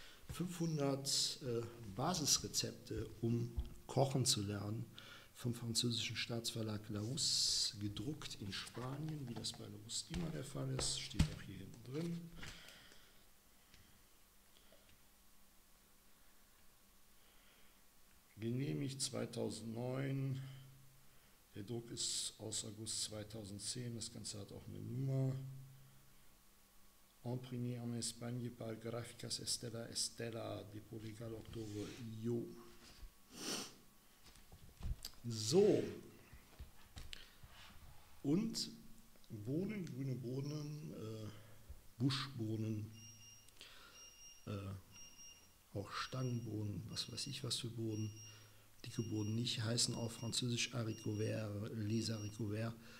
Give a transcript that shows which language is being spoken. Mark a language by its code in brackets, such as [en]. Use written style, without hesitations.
[de] 500 Basisrezepte, um kochen zu lernen, vom französischen Staatsverlag Larousse, gedruckt in Spanien, wie das bei Larousse immer der Fall ist, steht auch hier hinten drin. Genehmigt 2009, der Druck ist aus August 2010, das Ganze hat auch eine Nummer. [fr] Imprimé en Espagne par Graficas Estela Estela, Depot Legal Octobre, Io. [de] So, und Bohnen, grüne Bohnen, Buschbohnen, auch Stangenbohnen, was weiß ich was für Bohnen. Dicke Bohnen nicht, heißen auf Französisch haricots verts, les haricots verts.